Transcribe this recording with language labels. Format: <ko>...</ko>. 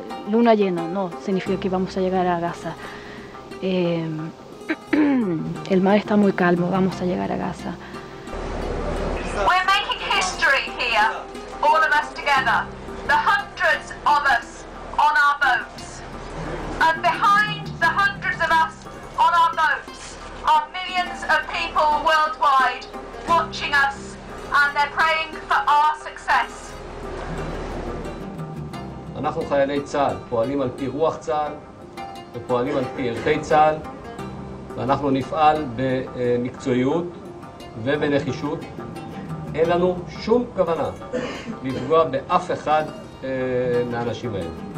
<es>Luna llena, no, significa que vamos a llegar a Gaza. El mar está muy calmo, vamos a llegar a Gaza.</es> <en>We're making history here, all of us together. The hundreds of us on our boats. And behind the hundreds of us on our boats are millions of people worldwide watching us and they're praying for our success.</en> <he>אנחנו חיילי צה"ל, פועלים על פי רוח צה"ל ופועלים על פי ערכי צה"ל ואנחנו נפעל במקצועיות ובנחישות. אין לנו שום כוונה לפגוע באף אחד מהאנשים האלה.</he>